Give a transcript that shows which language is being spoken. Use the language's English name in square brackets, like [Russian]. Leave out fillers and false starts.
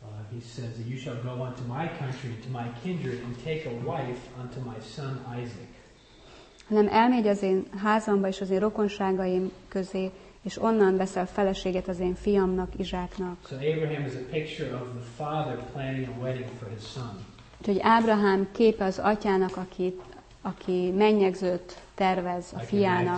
[English] He says that you shall go unto my country, to my kindred, and take a wife unto my son Isaac. [Hungarian] Hanem elmegy az én házamba és az én rokonságaim közé, és onnan veszel feleséget az én fiamnak, Izsáknak. [English] So Abraham is a picture of the father planning a wedding for his son. [Hungarian] Úgyhogy Ábrahám képe az atyának, aki mennyegzőt tervez a fiának.